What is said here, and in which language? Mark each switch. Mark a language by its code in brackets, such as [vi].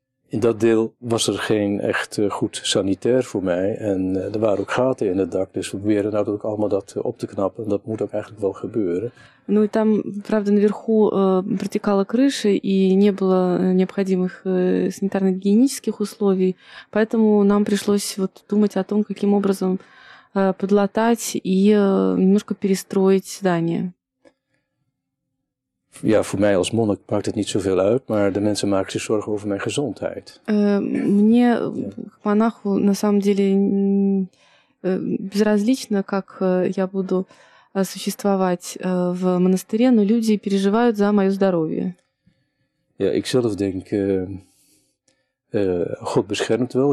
[nl] In dat deel was er geen echt goed sanitair voor mij. En er waren ook gaten in het dak. Dus we proberen nou ook allemaal dat op te knappen. En dat moet ook eigenlijk wel gebeuren. [ru] Ну и там, правда, наверху протекала крыша, и не было необходимых санитарно-гигиенических условий. Поэтому нам пришлось вот думать о том, каким образом подлатать и немножко перестроить здание. [nl] Ja, voor mij als monnik maakt het niet zoveel uit, maar de mensen maken zich zorgen over mijn gezondheid. [ru] Мне, как монаху, на самом деле безразлично, как я буду существовать в монастыре, но люди переживают за мое здоровье. [nl] Ja, ik zelf denk, God beschermt wel.